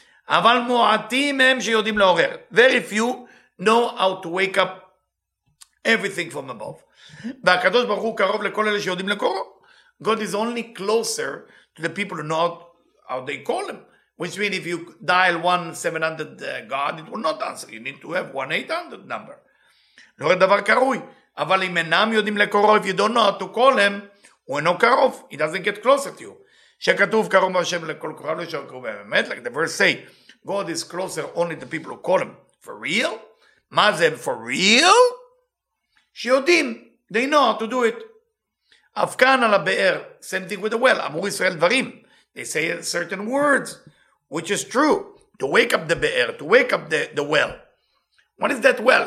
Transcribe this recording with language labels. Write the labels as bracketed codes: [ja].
[he] אבל מועטים הם שיודעים לעורר. [en] Very few know how to wake up everything from above. [he] והקדוש ברוך הוא קרוב לכל אלה שיודעים לקורא. [en] God is only closer to the people who know how they call him. Which means if you dial 1-700-GOD, it will not answer. You need to have 1-800 number. [he] לא הדבר קרוי. אבל אם אינם יודעים לקורו, [en] if you don't know how to call him, [he] הוא אינו קרוב. [en] He doesn't get closer to you. [he] שכתוב קרוב מהשם לכל קוראו, לא שקרוב באמת. [en] Like the verse say, God is closer only to the people who call him. For real? [he] מה זה [en] for real? [he] שיודעים. [en] They know how to do it. [he] אף כאן על הבאר, [en] same thing with the well. [he] אמור ישראל דברים. [en] They say certain words, which is true. To wake up the be'er, to wake up the well. What is that well?